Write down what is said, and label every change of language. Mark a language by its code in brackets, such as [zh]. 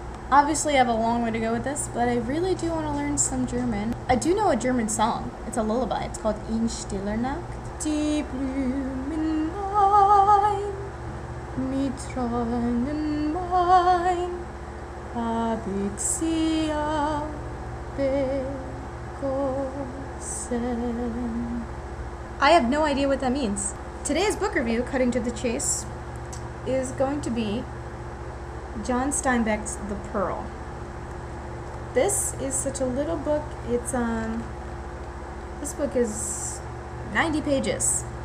[en] Obviously, I have a long way to go with this, but I really do want to learn some German. I do know a German song. It's a lullaby. It's called In Stiller Nacht. [de] Die Blumen rein, mit Tränen mein, hab ich sie abgossen. [en] I have no idea what that means. Today's book review, Cutting to the Chase, is going to be John Steinbeck's The Pearl. This is such a little book. It's, this book is 90 pages.